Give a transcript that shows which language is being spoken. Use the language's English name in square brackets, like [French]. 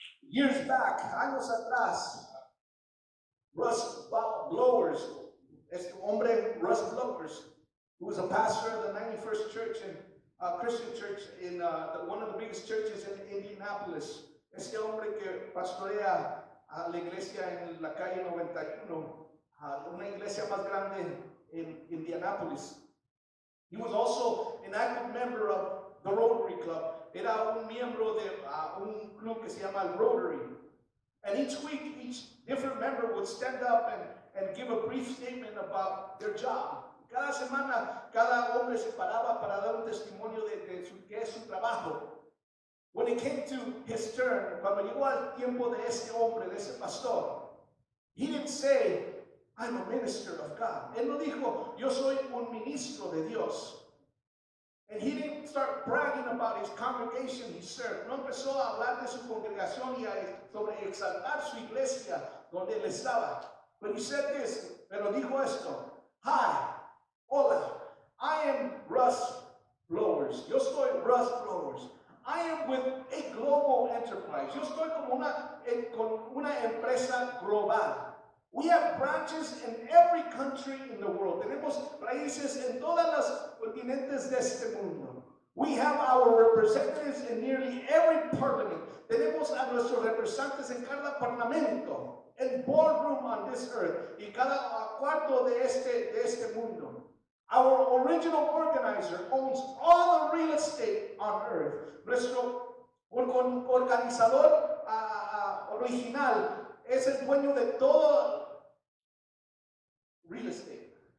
[English] Years back, [Spanish] años atrás, [English] Russ Blowers, who was a pastor of the 91st Church and Christian Church in one of the biggest churches in Indianapolis. [Spanish] Este hombre que pastorea a la iglesia en la calle 91, una iglesia más grande in Indianapolis. [English] He was also an active member of the Rotary Club. [Spanish] Era un miembro de un club que se llama Rotary. [English] And each week, each different member would stand up and give a brief statement about their job. [Spanish] Cada semana, cada hombre se paraba para dar un testimonio de su, que es su trabajo. [English] When it came to his turn, [Spanish] cuando llegó al tiempo de ese hombre, de ese pastor, [English] he didn't say, I'm a minister of God. [Spanish] Él no dijo, yo soy un ministro de Dios. [English] And he didn't start bragging about his congregation he served. [Spanish] No empezó a hablar de su congregación y a sobre exaltar su iglesia donde él estaba. [English] But he said this, [Spanish] pero dijo esto. [English] Hi, [Spanish] hola, [English] I am Russ Blowers. [Spanish] Yo soy Russ Blowers. [English] I am with a global enterprise. [Spanish] Yo estoy con una empresa global. [English] We have branches in every country in the world. [Spanish] Tenemos raíces en todas las continentes de este mundo. [English] We have our representatives in nearly every parliament. [Spanish] Tenemos a nuestros representantes en cada parlamento, en [English] boardroom on this earth, [Spanish] y cada cuarto de este mundo. [English] Our original organizer owns all the real estate on earth. [Spanish] Nuestro organizador original es el dueño de todo real estate.